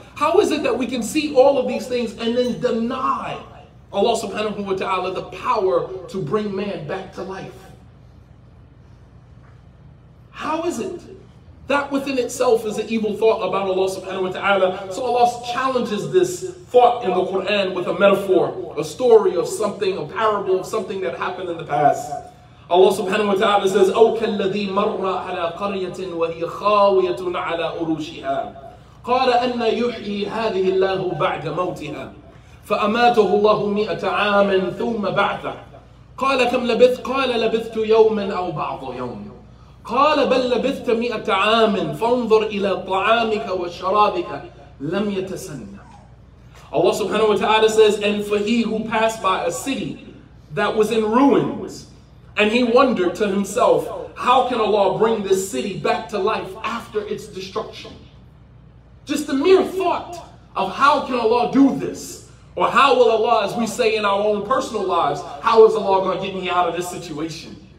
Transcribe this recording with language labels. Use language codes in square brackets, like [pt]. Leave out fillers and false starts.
[en] How is it that we can see all of these things and then deny Allah subhanahu wa ta'ala the power to bring man back to life? How is it? That within itself is an evil thought about Allah subhanahu wa ta'ala. So Allah challenges this thought in the Quran with a metaphor, a story of something, a parable of something that happened in the past. [ar] Allah subhanahu wa ta'ala says, أَوْ كَالَّذِي مَرَّ عَلَى قَرْيَةٍ وَهِيَ خَاوِيَةٌ عَلَى أُرُوشِهَا قَالَ أَنَّ يُحْيِي هَذِهِ اللَّهُ بَعْدَ مَوْتِهَا فَأَمَاتَهُ اللَّهُ 100 عَامٍ ثُمَّ بَعْثَهُ قَالَ كَمْ لَبِثْتُ قَالَ لَبِثْتُ يَوْمًا أَوْ بَعْضَ يَوْمٍ قال بل لبثت 100 عام فانظر الى طعامك وشرابك لم يتسنى. [en] Allah subhanahu wa ta'ala says, and for he who passed by a city that was in ruins, and he wondered to himself, how can Allah bring this city back to life after its destruction? Just the mere thought of how can Allah do this, or how will Allah, as we say in our own personal lives, how is Allah going to get me out of this situation?